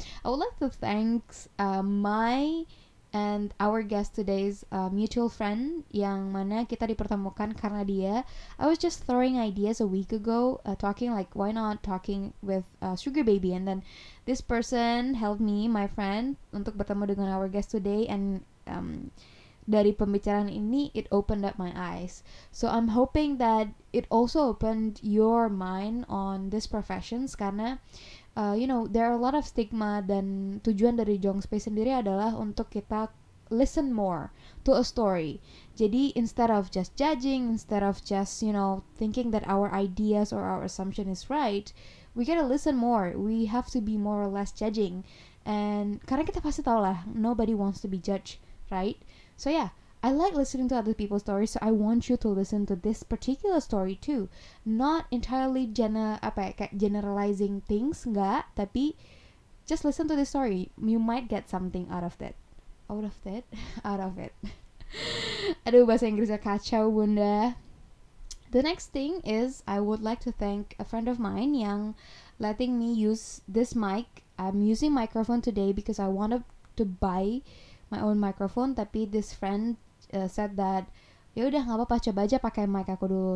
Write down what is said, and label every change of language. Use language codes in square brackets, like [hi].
[en] I would like to thank my and our guest today's mutual friend, [id] yang mana kita dipertemukan karena dia. [en] I was just throwing ideas a week ago, talking like, why not talking with Sugar Baby? And then this person helped me, my friend, [id] untuk bertemu dengan [en] our guest today. And [id] dari pembicaraan ini, [en] it opened up my eyes. So I'm hoping that it also opened your mind on this profession, karena you know, there are a lot of stigma, [id] dan tujuan dari Jong Space sendiri adalah untuk kita [en] listen more to a story. Jadi, instead of just judging, instead of just, you know, thinking that our ideas or our assumption is right, we gotta listen more. We have to be more or less judging. And [id] karena kita pasti tahu lah, [en] nobody wants to be judged, right? So yeah, I like listening to other people's stories, so I want you to listen to this particular story too. Not entirely generalizing things, [id] enggak, tapi [en] just listen to this story. You might get something out of that. Out of that? Out of it. [id] Aduh, bahasa Inggrisnya kacau, bunda. [en] The next thing is, I would like to thank a friend of mine yang letting me use this mic. I'm using microphone today because I wanted to buy my own microphone, [id] tapi [en] this friend said that, [id] yaudah, gak apa-apa, coba aja pakai mic aku dulu.